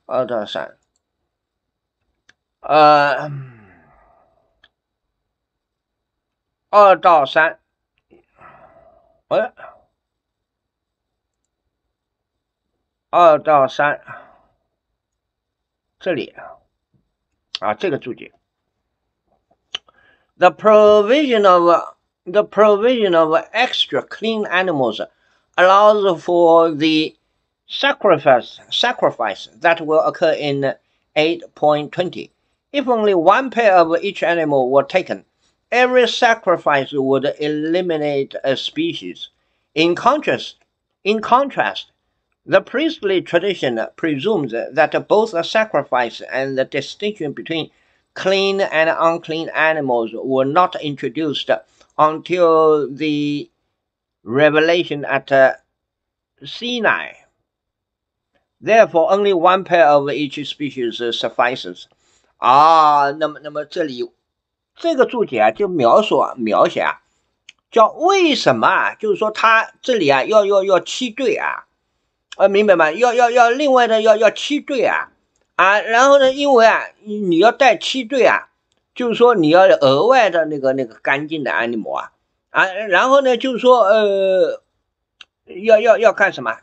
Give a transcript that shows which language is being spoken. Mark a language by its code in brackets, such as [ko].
[zh] 二到三，二到三，二到三，这里。啊，这个注解， [en] the provision of extra clean animals allows for the sacrifice that will occur in 8:20. If only one pair of each animal were taken, every sacrifice would eliminate a species. In contrast, the priestly tradition presumes that both the sacrifice and the distinction between clean and unclean animals were not introduced until the revelation at Sinai. Therefore, only one pair of each species suffices. [zh] 那么这里这个注解就描写，叫为什么，就是说他这里啊要七对啊，明白吗？要另外的要七对啊，然后呢，因为啊你要带七对啊，就是说你要额外的那个干净的 animal 啊，然后呢就是说要干什么？